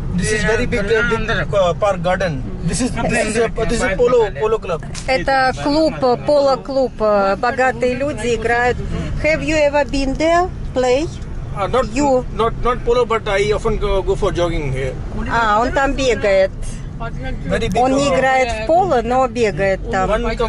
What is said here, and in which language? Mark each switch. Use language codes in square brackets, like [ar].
[en] This is very big park garden. This is polo club. [ru] Это клуб, поло-клуб. Богатые люди играют. [en] Have you ever been there? Play? Not polo, but I often go for jogging here. [ru] Он там бегает. Он не играет в поло, но бегает там.